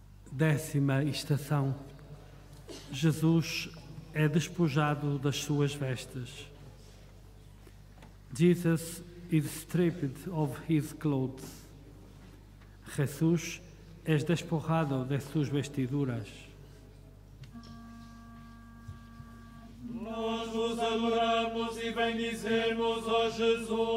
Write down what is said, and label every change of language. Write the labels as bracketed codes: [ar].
[pt] Décima estação. Jesus é despojado das suas vestes. [en] Jesus is stripped of his clothes. [pt] Jesus é despojado de suas vestiduras. Nós vos adoramos e bendizemos, ó Jesus.